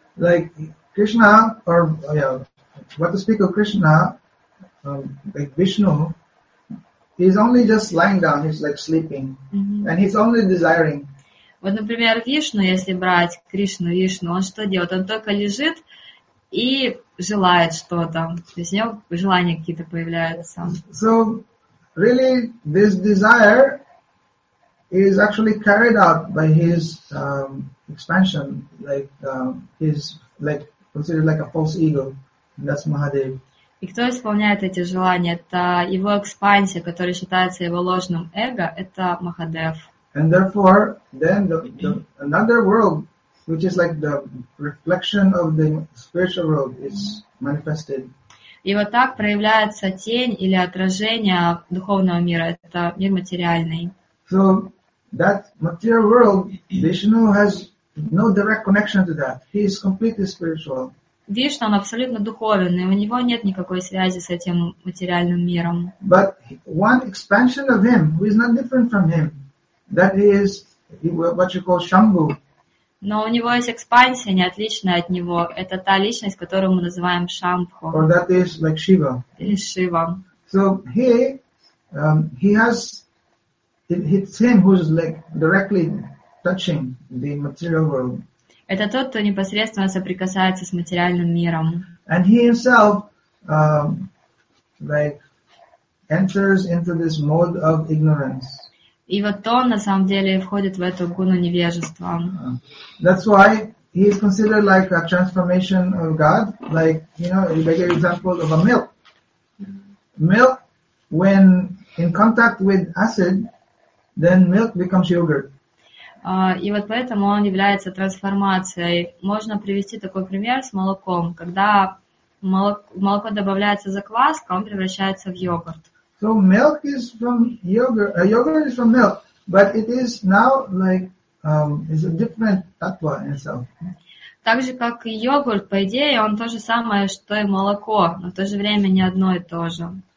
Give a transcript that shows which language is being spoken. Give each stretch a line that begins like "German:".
English: Like Krishna, or yeah, what to speak of Krishna, like Vishnu. He's only just lying down, he's like sleeping. Mm-hmm. And he's only desiring.
Russian: Вот, например, Вишну, если брать Кришну, Вишну, он что делает? Он только лежит и желает что-то. То есть у него желания какие-то появляются.
English: So really this desire is actually carried out by his expansion, like his like considered like a false ego. And that's Mahadev.
Russian: И кто исполняет эти желания? Это его экспансия, которая считается его ложным эго, это Махадев.
English: And therefore, then the another world, which is like the reflection of the spiritual world, is manifested.
Russian: И вот так проявляется тень или отражение духовного мира, это мир материальный.
English: So that material world, Vishnu has no direct connection to that. He is completely spiritual.
Russian: Вишна, он абсолютно духовный, у него нет никакой связи с этим материальным миром.
English: But one expansion of him, who is not different from him, that is what you call Shambhu.
Russian: Но у него есть экспансия, не отличная от него. Это та личность, которую мы называем Шамбху.
English: Or that is like Shiva.
Russian: Или Шива.
English: So he has, it's him who is like directly touching the material world.
Russian: Это тот, кто непосредственно соприкасается с материальным миром.
English: And he himself, like, enters into this mode of ignorance.
Russian: И вот он на самом деле входит в эту гуну невежества.
English: That's why he is considered like a transformation of God. Like, you know, a bigger example of a milk. Milk, when in contact with acid, then milk becomes yogurt.
Russian: И вот поэтому он является трансформацией. Можно привести такой пример с молоком. Когда в молоко добавляется закваска, он превращается в йогурт.
English: So milk is from yogurt. Yogurt is from milk. But it is now like it's a different tattva in itself.
Russian: Так же, как и йогурт, по идее, он то же самое, что и молоко, но в то же время не одно и то же.